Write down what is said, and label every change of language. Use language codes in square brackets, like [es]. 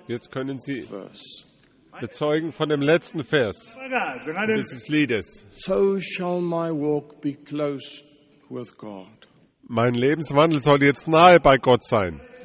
[de] Jetzt können sie bezeugen von dem letzten Vers dieses Liedes. [en] So shall my walk be close with God. [de] Mein Lebenswandel soll jetzt nahe bei Gott sein.